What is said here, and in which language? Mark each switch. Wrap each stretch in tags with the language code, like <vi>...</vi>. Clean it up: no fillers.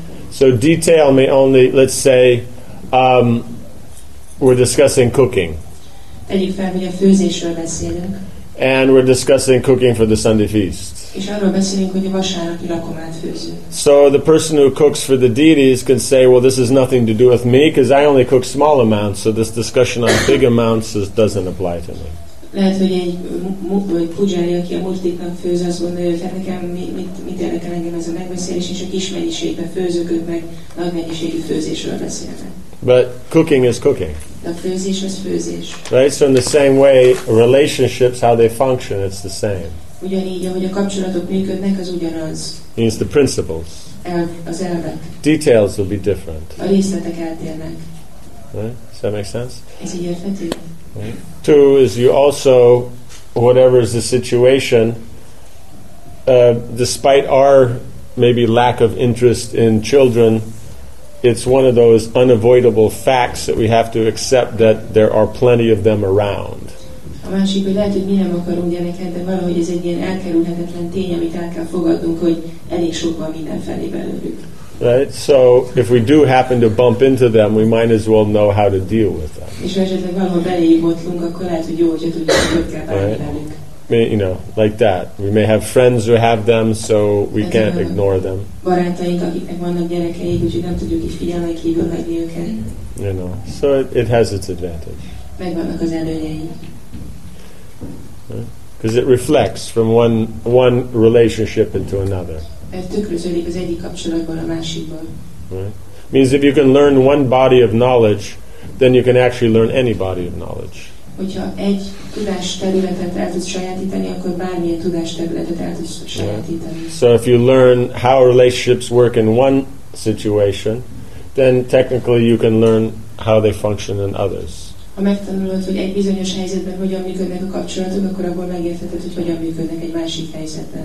<en>So detail may only, let's say, we're discussing cooking. And we're discussing cooking for the Sunday feast.</en> <hu>És arról beszélünk, hogy a vasárnapi rakomát főzünk.</hu> <en>So the person who cooks for the deities can say, well, this is nothing to do with me, because I only cook small amounts, so this discussion on big amounts is, doesn't apply to me.</en> <hu>Lehet, hogy egy pujári, aki a multiknak főz, azt gondolja, hogy nekem mit érdekel engem ez a megbeszélés, és a kis mennyiségben főzök, ők meg nagy mennyiségű főzésről beszélnek.</hu> <en>But cooking is cooking.</en> <hu>A főzés az főzés.</hu> <en>Right? So in the same way, relationships, how they function, it's the same.</en> <hu>Ugyanígy, ahogy a kapcsolatok működnek, az ugyanaz.</hu> <en>Means the principles.</en> <hu>Az elvek.</hu> <en>Details will be different.</en> <hu>A részletek eltérnek.</hu> <en>Right? Does that make sense?</en> <hu>Ez így érthető?</hu> <en>Right. Two is you also, whatever is the situation, despite our maybe lack of interest in children, it's one of those unavoidable facts that we have to accept that there are plenty of them around.</en> <hu>A másik, hogy lehet, hogy mi nem akarunk gyereket, de valahogy ez egy ilyen elkerülhetetlen tény, amit el kell fogadnunk, hogy elég sok van mindenfelé belőlük.</hu> <en>Right? So, if we do happen to bump into them, we might as well know how to deal with them.</en> <hu>És ha esetleg valahol beléjük botlunk, akkor lehet, hogy jó, hogy tudjuk, hogy kell bánni velük.</hu> <en>You know, like that. We may have friends who have them, so we can't ignore them.</en> <hu>Barátaink, akiknek vannak gyerekeik, úgyhogy nem tudjuk így figyelmen kívül hagyni őket.</hu> <en>You know, so it has its advantage.</en> <hu>Megvannak az előnyei.</hu> <en>Because it reflects from one relationship into another.</en> <hu>Ez tükröződik az egyik kapcsolatból a másikba.</hu> <en>Right? Means if you can learn one body of knowledge, then you can actually learn any body of knowledge.</en> <hu>Hogyha egy tudás területet el tudsz sajátítani, akkor bármilyen tudás területet el tudsz sajátítani.</hu> <en>So if you learn how relationships work in one situation, then technically you can learn how they function in others.</en> <hu>Ha megtanulod, hogy egy bizonyos helyzetben hogyan működnek a kapcsolatok, akkor abból megértheted, hogy hogyan működnek egy másik helyzetben.</hu>